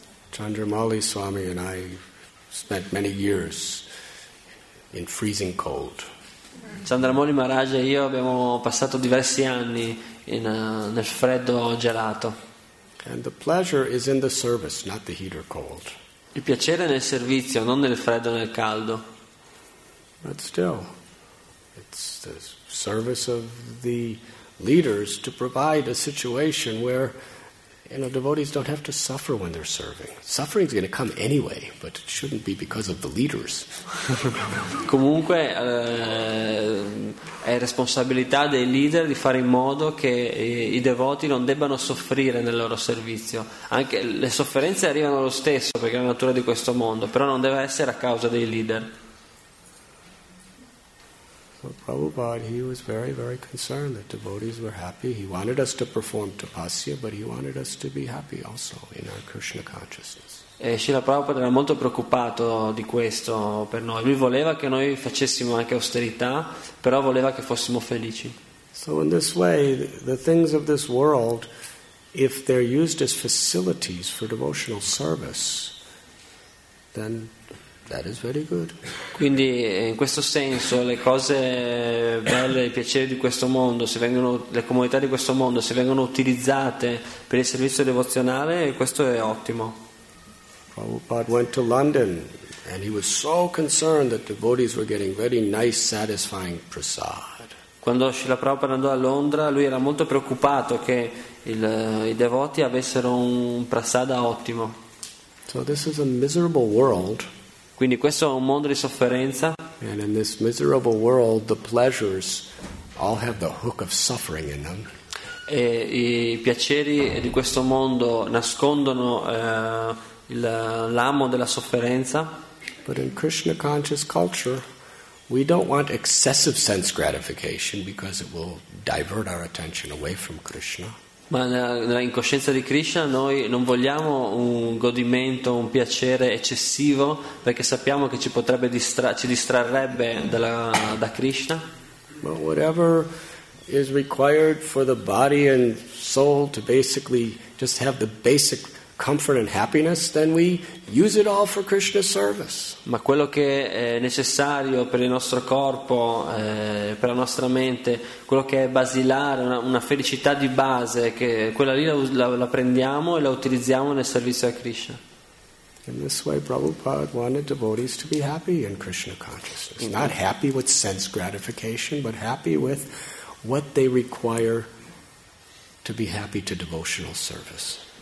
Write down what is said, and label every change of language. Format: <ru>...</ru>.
<en>Chandramali Swami and I spent many years in freezing cold.</en> <it>Chandramali Maharaj e io abbiamo passato diversi anni nel freddo gelato.</it> <en>And the pleasure is in the service, not the heat or cold.</en> <it>Il piacere nel servizio, non nel freddo nel caldo.</it> <en>But still, it's the service of the leaders to provide a situation where, you know, devotees don't have to suffer when they're serving. Suffering is going to come anyway, but it shouldn't be because of the leaders.</en> <it>Comunque, è responsabilità dei leader di fare in modo che i devoti non debbano soffrire nel loro servizio. Anche le sofferenze arrivano lo stesso perché è la natura di questo mondo, però non deve essere a causa dei leader.</it> <en>Prabhupada, he was very, very concerned that devotees were happy. He wanted us to perform tapasya, but he wanted us to be happy also in our Krishna consciousness.</en> <it>E Srila Prabhupada era molto preoccupato di questo per noi. Lui voleva che noi facessimo anche austerità, però voleva che fossimo felici.</it> <en>So in this way, the things of this world, if they're used as facilities for devotional service, then that is very good.</en> <it>Quindi in questo senso le cose belle, i piaceri di questo mondo, se vengono le comodità di questo mondo, se vengono utilizzate per il servizio devozionale, questo è ottimo.</it> <en>Prabhupada went to London and he was so concerned that devotees were getting very nice satisfying prasad.</en> <it>Quando Srila Prabhupada andò a Londra, lui era molto preoccupato che i devoti avessero un prasada ottimo.</it> <en>So this is a miserable world.</en> <it>Quindi questo è un mondo di sofferenza.</it> <en>And in this miserable world, the pleasures all have the hook of suffering in them.</en> <it>E i piaceri di questo mondo nascondono l'amo della sofferenza.</it> <en>But in Krishna conscious culture, we don't want excessive sense gratification because it will divert our attention away from Krishna.</en> <it>Ma nella incoscienza di Krishna noi non vogliamo un godimento, un piacere eccessivo perché sappiamo che ci distrarrebbe da Krishna.</it> <en>But whatever is required for the body and soul to basically just have the basic comfort and happiness, then we use it all for Krishna's service.</en> <it>Ma quello che è necessario per il nostro corpo, per la nostra mente, quello che è basilare, una felicità di base, che quella lì la prendiamo e la utilizziamo nel servizio a Krishna.</it> <en>In this way, Prabhupada wanted devotees to be happy in Krishna consciousness. Not happy with sense gratification, but happy with what they require to be happy to devotional service.</en>